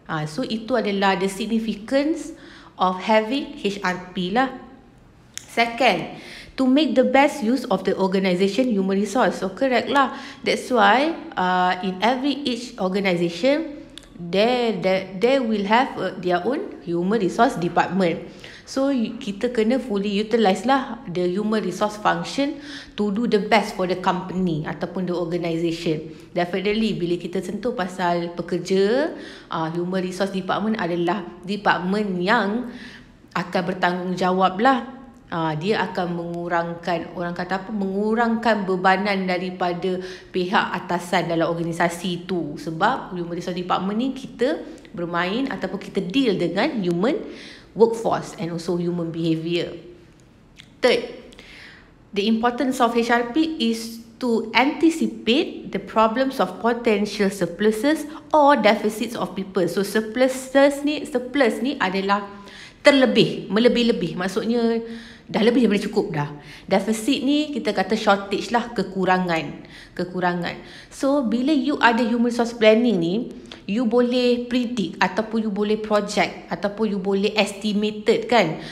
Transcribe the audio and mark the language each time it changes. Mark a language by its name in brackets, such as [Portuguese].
[English] So [Malay] itu adalah [English] the significance of having HRP lah. Second, to make the best use of the organisation human resource. So correct lah, that's why in every each organisation they will have their own human resource department. So [Malay] kita kena [English] fully utilize lah the human resource function to do the best for the company ataupun the organisation. [Malay] Definitely bila kita sentuh pasal pekerja, human resource department adalah department yang akan bertanggungjawab lah. Dia akan mengurangkan, orang kata apa, mengurangkan bebanan daripada pihak atasan dalam organisasi tu. [English] Sebab human resource department ni [Malay] kita bermain ataupun kita [English] deal dengan human workforce and also human behavior. Third, the importance of HRP is to anticipate the problems of potential surpluses or deficits of people. [Malay] So surplus ni adalah terlebih, melebih-lebih. Maksudnya dah lebih daripada cukup dah. Deficit ni kita kata shortage lah, kekurangan. So bila you ada human resource planning ni, you boleh predict ataupun you boleh project ataupun you boleh estimated kan.